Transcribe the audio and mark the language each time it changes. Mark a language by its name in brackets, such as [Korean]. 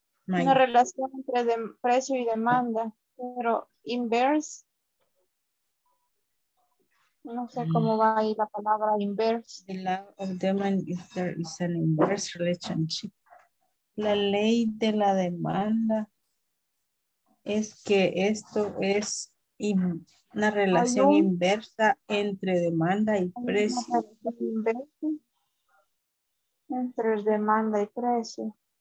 [Spanish] Una relación entre de precio y demanda, pero inverse. No sé cómo va ahí la palabra inverse. [English] The law of demand is there is an inverse relationship. [Spanish] La ley de la demanda es que esto es una relación inversa entre demanda y precio. Entre demanda y precio.